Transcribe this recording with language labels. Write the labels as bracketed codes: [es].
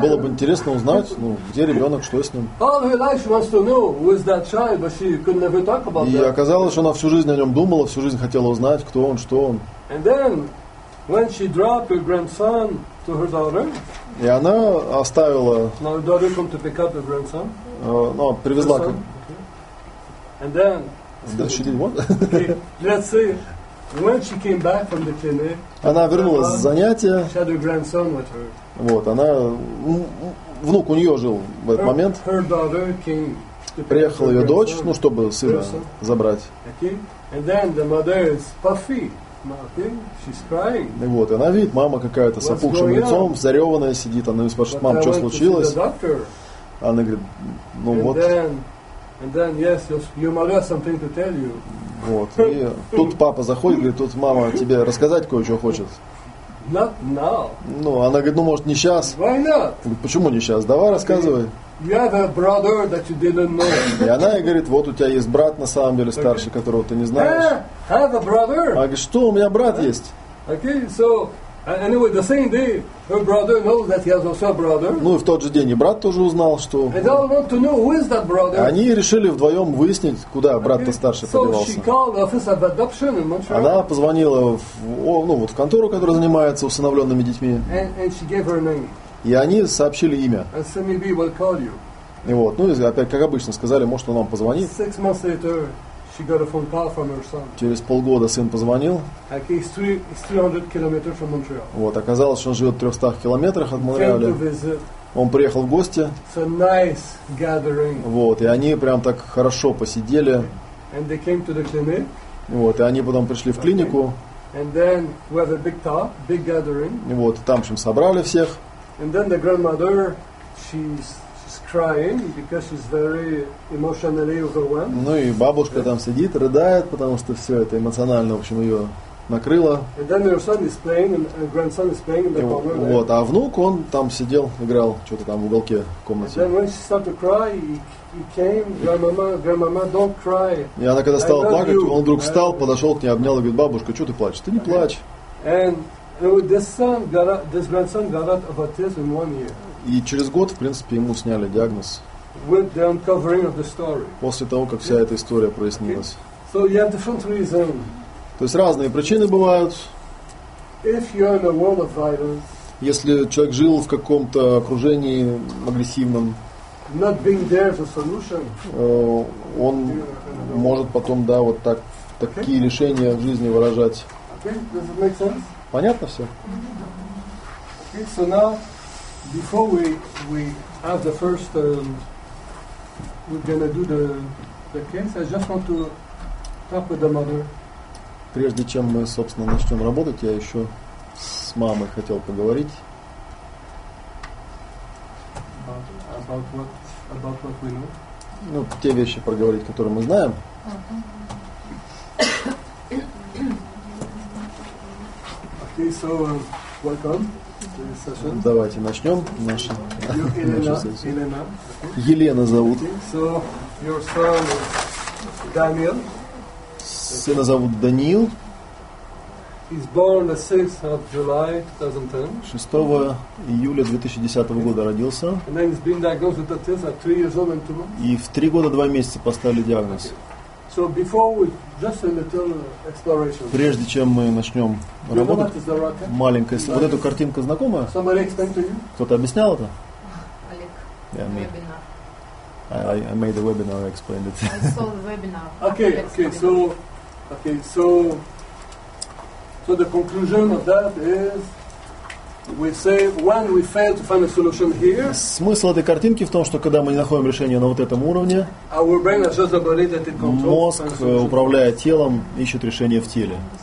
[ru] Было бы интересно узнать, ну, где ребенок, что с ним. [en] All her life she wants to know who is that child, but she could never talk about that. [ru] И оказалось, что она всю жизнь о нем думала, всю жизнь хотела узнать, кто он, что он. [en] And then, when she dropped her grandson to her daughter, [ru] и она оставила. [en] Now her daughter come to pick up her grandson. [ru] Ну, привезла. Okay. [en] And then. Да, she did what? Okay. Let's see. When she came back from the clinic, [ru] она вернулась с занятия. [en] She had her grandson with her. [ru] Вот, она внук у нее жил в этот момент. [en] Her daughter came. [ru] Приехала ее дочь, ну, чтобы сына забрать. [en] Okay. And then the mother is puffy. She's crying. [ru] И вот, она видит, мама какая-то с опухшим лицом, зареванная сидит. Она спрашивает, мам, что случилось? Она говорит, ну [en] and [ru] вот. [en] Then, yes, your mother has something to tell you. [ru] Вот, и тут папа заходит, говорит, тут мама тебе рассказать кое-что хочет. [en] Not now. [ru] Ну, она говорит, ну может не сейчас. [en] Why not? [ru] Говорит, почему не сейчас? Давай, рассказывай. [en] You have a brother that you didn't know. [ru] И она ей говорит, вот у тебя есть брат на самом деле старший, okay, которого ты не знаешь. [en] Have a brother. [ru] Она говорит, что у меня брат есть. [en] Okay, so anyway, the same day her brother knows that he has also a brother. [ru] Ну и в тот же день и брат тоже узнал, что. [en] And they want to know who is that brother. [ru] Они решили вдвоем выяснить, куда брат-то старший подевался. [en] So she called the office of adoption in Montreal. [ru] Она позвонила в контору, которая занимается усыновленными детьми. [en] And she gave her name. [ru] И они сообщили имя. [en] SMB will call you. [ru] И вот, ну, опять, как обычно, сказали, может, он вам позвонит. [en] Six months later, she got a phone call from her son. [ru] Через полгода сын позвонил. [en] Okay, he's 300 kilometers from Montreal. [ru] Вот, оказалось, что он живет в 300 километрах от Монреаля. Он приехал в гости. [en] It's a nice gathering. [ru] Вот, и они прям так хорошо посидели. [en] And they came to the clinic. [ru] Вот, и они потом пришли в клинику. [en] Okay. And then we have a big talk, big gathering. [ru] И вот, там, в общем, собрали всех. [en] And then the grandmother, she's crying because she's very emotionally overwhelmed. [ru] Ну и бабушка там сидит, рыдает, потому что все это эмоционально, в общем, ее накрыло. [en] And then her son is playing, and grandson is playing in the corner. [ru] Вот, а внук он там сидел, играл что-то там в уголке комнаты. [en] And then when she started to cry, he came, grandmama, don't cry. [ru] И она когда стала плакать, он вдруг встал, подошел к ней, обнял и говорит, бабушка, что ты плачешь? Ты не плачь. [en] This grandson got out of autism in 1 year. [ru] И через год, в принципе, ему сняли диагноз. [en] With the uncovering of the story. [ru] После того, как вся эта история прояснилась. [en] So you have different reasons. [ru] То есть разные причины бывают. [en] If you're in a world of violence. [ru] Если человек жил в каком-то окружении агрессивном. [en] Not being there is a solution. [ru] Он может потом, да, вот так такие [en] okay. [ru] решения в жизни выражать. [en] Okay, does it make sense? [ru] Понятно все? [en] Okay, so now, before we have the first, we're gonna do the case, I just want to talk with the mother. [ru] Прежде чем мы, собственно, начнем работать, я еще с мамой хотел поговорить. [en] About what we know. [ru] Ну, те вещи проговорить, которые мы знаем. [en] Okay, so welcome to the session. [ru] Давайте начнем нашу сессию. Елена зовут. [en] So your son Daniel. [ru] Сына зовут Даниил. [en] is born the 6th of July 2010. [ru] 6 июля 2010 года родился. [en] And then he's been diagnosed with autism at 3 years old and 2 months. [ru] И в 3 года 2 месяца поставили диагноз. [en] So before we just a little exploration. [ru] Прежде чем мы начнем работать, маленькая, вот эту картинку знакомая? [en] Somebody explained to you? [ru] Кто-то объяснял это? [en] Олег. Yeah, webinar. I made a webinar, I explained it. I saw the webinar. Okay, so the conclusion of that is we say when we fail to find a solution here. [ru] Смысл этой картинки в том, что когда мы не находим решение на вот этом уровне, [en] our brain is just a body that it controls. [ru] Мозг, управляя телом, ищет решение в теле.